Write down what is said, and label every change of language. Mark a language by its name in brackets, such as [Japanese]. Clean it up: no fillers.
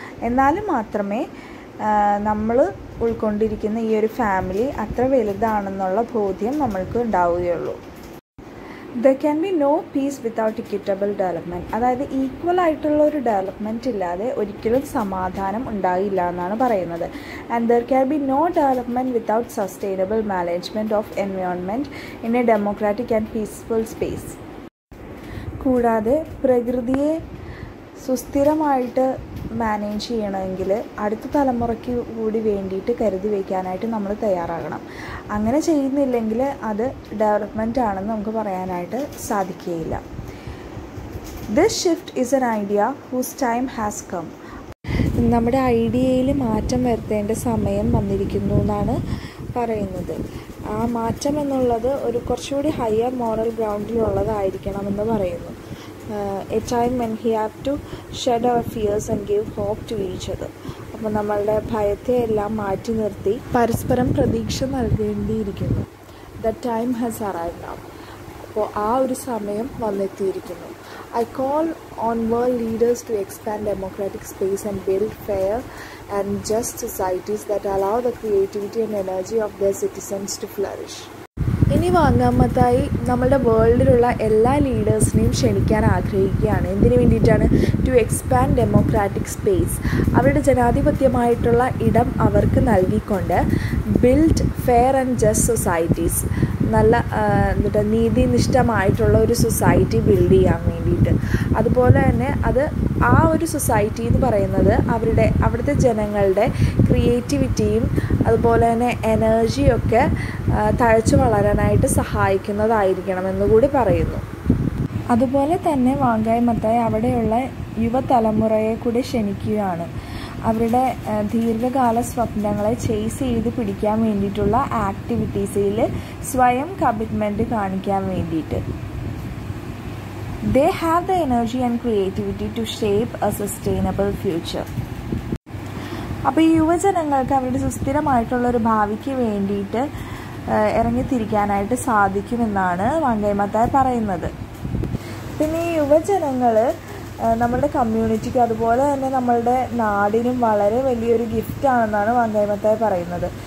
[Malayalam] എന്നാലും മാത്രമേ നമ്മൾ ഉൾക്കൊണ്ടിരിക്കുന്ന ഈ ഒരു ഫാമിലി അത്ര വലുതാണെന്നുള്ള ബോധ്യം നമ്മൾക്ക് ഉണ്ടാവുകയുള്ളൂ. [English] There can be no peace without equitable development. [Malayalam] അതായത് ഈക്വലായിട്ടുള്ള ഒരു ഡെവലപ്മെൻറ്റ് ഇല്ലാതെ ഒരിക്കലും സമാധാനം ഉണ്ടാകില്ല എന്നാണ് പറയുന്നത്. [English] And there can be no development without sustainable management of environment in a democratic and peaceful space. [Malayalam] കൂടാതെ പ്രകൃതിയെ സുസ്ഥിരമായിട്ട് മാനേജ് ചെയ്യണമെങ്കിൽ അടുത്ത തലമുറയ്ക്ക് കൂടി വേണ്ടിയിട്ട് കരുതി വയ്ക്കാനായിട്ട് നമ്മൾ തയ്യാറാകണം. അങ്ങനെ ചെയ്യുന്നില്ലെങ്കിൽ അത് ഡെവലപ്മെൻ്റ് ആണെന്ന് നമുക്ക് പറയാനായിട്ട് സാധിക്കുകയില്ല. [English] This shift is an idea whose time has come. [Malayalam] നമ്മുടെ ഐഡിയയിൽ മാറ്റം വരുത്തേണ്ട സമയം വന്നിരിക്കുന്നു എന്നാണ് പറയുന്നത്. ആ മാറ്റം എന്നുള്ളത് ഒരു കുറച്ചുകൂടി ഹയർ മോറൽ ഗ്രൗണ്ടിലുള്ളതായിരിക്കണമെന്ന് പറയുന്നു. [English] A time when he had to shed our fears and give hope to each other. [Malayalam] അപ്പം നമ്മളുടെ ഭയത്തെയെല്ലാം മാറ്റി നിർത്തി പരസ്പരം പ്രതീക്ഷ നൽകേണ്ടിയിരിക്കുന്നു. [English] The time has arrived now. [Malayalam] അപ്പോൾ ആ ഒരു സമയം വന്നെത്തിയിരിക്കുന്നു. [English] I call on world leaders to expand democratic space and build fair and just societies that allow the creativity and energy of their citizens to flourish. [Malayalam] ഇനി വാങ്ങാമത്തായി നമ്മുടെ വേൾഡിലുള്ള എല്ലാ ലീഡേഴ്സിനെയും ക്ഷണിക്കാൻ ആഗ്രഹിക്കുകയാണ്. എന്തിനു വേണ്ടിയിട്ടാണ്? [English] to expand democratic space, [Malayalam] അവരുടെ ജനാധിപത്യമായിട്ടുള്ള ഇടം അവർക്ക് നൽകിക്കൊണ്ട് [English] build fair and just societies, [Malayalam] നല്ല എന്നിട്ട് നീതിനിഷ്ഠമായിട്ടുള്ള ഒരു സൊസൈറ്റി ബിൽഡ് ചെയ്യാൻ വേണ്ടിയിട്ട്. അതുപോലെ തന്നെ അത് ആ ഒരു സൊസൈറ്റി എന്ന് പറയുന്നത് അവരുടെ അവിടുത്തെ ജനങ്ങളുടെ ക്രിയേറ്റിവിറ്റിയും അതുപോലെ തന്നെ എനർജിയൊക്കെ തഴച്ചു വളരാനായിട്ട് സഹായിക്കുന്നതായിരിക്കണം എന്നുകൂടി പറയുന്നു. അതുപോലെ തന്നെ വാങ്കായ് മത്തായി അവിടെയുള്ള യുവതലമുറയെ കൂടി ക്ഷണിക്കുകയാണ്. അവരുടെ ദീർഘകാല സ്വപ്നങ്ങളെ ചേസ് ചെയ്ത് പിടിക്കാൻ വേണ്ടിയിട്ടുള്ള ആക്ടിവിറ്റീസിൽ സ്വയം കമ്മിറ്റ്മെൻറ്റ് കാണിക്കാൻ വേണ്ടിയിട്ട്. [English] They have the energy and creativity to shape a sustainable future. [Malayalam] അപ്പോൾ ഈ യുവജനങ്ങൾക്ക് അവരുടെ സുസ്ഥിരമായിട്ടുള്ള ഒരു ഭാവിക്ക് വേണ്ടിയിട്ട് ഇറങ്ങിത്തിരിക്കാനായിട്ട് സാധിക്കുമെന്നാണ് വാങ്കായ് മത്തായി പറയുന്നത്. പിന്നെ ഈ യുവജനങ്ങൾ നമ്മളുടെ കമ്മ്യൂണിറ്റിക്ക് അതുപോലെ തന്നെ നമ്മളുടെ നാടിനും വളരെ വലിയൊരു ഗിഫ്റ്റാണെന്നാണ് വാങ്കായ് മത്തായി പറയുന്നത്.